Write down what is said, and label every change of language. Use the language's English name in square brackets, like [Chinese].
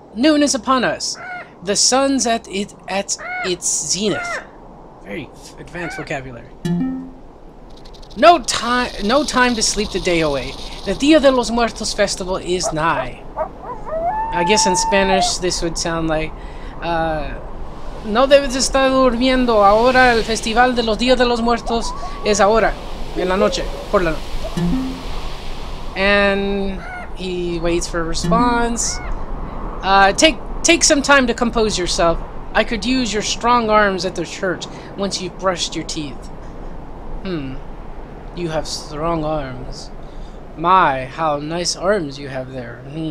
[English] Noon is upon us! The sun's at its zenith. Very advanced vocabulary. No time to sleep the day away. The Dia de los Muertos festival is nigh. I guess in Spanish this would sound like, [Spanish] no debes estar durmiendo. Ahora el festival de los Dia de los Muertos es ahora, en la noche, por la noche. [English] And he waits for a response. Take some time to compose yourself. I could use your strong arms at the church once you've brushed your teeth. You have strong arms. My, how nice arms you have there.